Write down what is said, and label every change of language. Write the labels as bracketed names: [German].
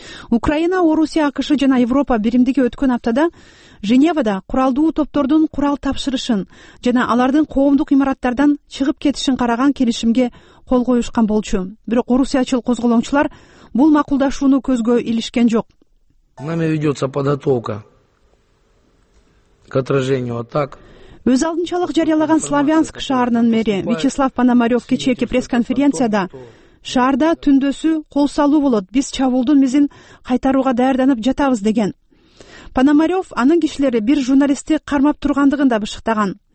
[Kyrgyz] Украина, Орусия, АКШ жана Европа биримдиги өткөн аптада Женевада куралдуу топтордун курал тапшырышын жана алардын коомдук имараттардан чыгып кетишин караган келишимге кол коюшкан болчу. Бирок орусиячыл козголоңчулар бул макулдашууну көзгө илишкен жок. [Russian] Нами ведется подготовка к отражению атак. [Kyrgyz] Өз алдынчалык жарыялаган Славянск шаарынын мэри Вячеслав Пономарев кечээки пресс-конференцияда шаарда түндөсү кол салуу болот, биз чабуулдун мизин кайтарууга даярданып жатабыз деген. Пономарев анын кишилери бир журналисти кармап тургандыгын да бышыктаган.